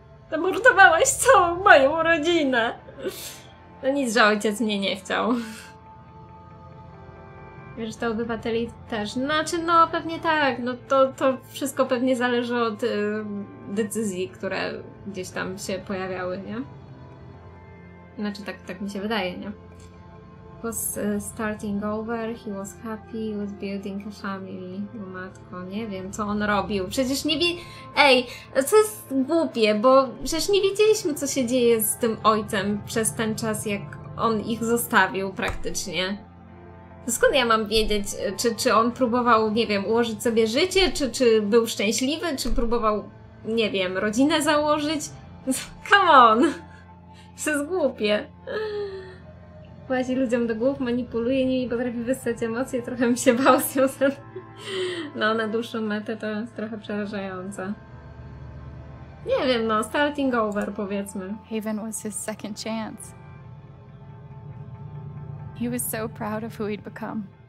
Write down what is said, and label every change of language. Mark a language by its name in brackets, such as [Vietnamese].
[Polish] Zamordowałaś całą moją rodzinę! No nic, że ojciec mnie nie chciał. Wiesz, to obywateli też. Znaczy, no pewnie tak. No to wszystko pewnie zależy od decyzji, które gdzieś tam się pojawiały, nie? Znaczy, tak mi się wydaje, nie? [English] He was starting over, he was happy, he was building a family. [Polish] No matko, nie wiem, co on robił. Przecież nie wie... Ej, co jest głupie, bo przecież nie wiedzieliśmy, co się dzieje z tym ojcem przez ten czas, jak on ich zostawił praktycznie. Skąd ja mam wiedzieć, czy on próbował, nie wiem, ułożyć sobie życie, czy był szczęśliwy, czy próbował, nie wiem, rodzinę założyć? [English] Come on! [Polish] Co jest głupie. Płaci ludziom do głów, manipuluje nimi, potrafi wystać emocje, trochę mi się bał z nią. No, na dłuższą metę to jest trochę przerażające. Nie wiem, no, [English] starting over, [Polish] powiedzmy. [English] Haven was his second chance. He was so proud of who he'd become.